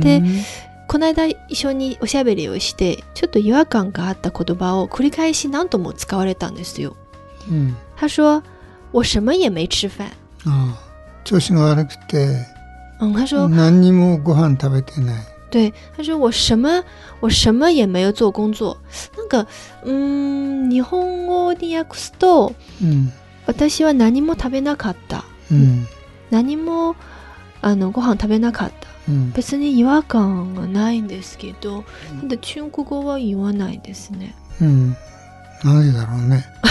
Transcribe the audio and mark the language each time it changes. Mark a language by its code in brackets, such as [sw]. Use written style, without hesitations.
[ja] でこの間一緒におしゃべりをして、ちょっと違和感があった言葉を繰り返し何度も使われたんですよ、うん、 [zh] 他说我什么也没吃饭、 [ja] 調子が悪くて、 [zh] 嗯、他说 [ja] 何にもご飯食べてない。 [zh] 对，他说我什么也没有做工作。 [ja] 那个，日本語に訳すと、嗯、私は何も食べなかった。嗯、何もあのご飯食べなかった。嗯、別に違和感はないんですけど、嗯、ただ中国語は言わないですね。うん、何だろうね。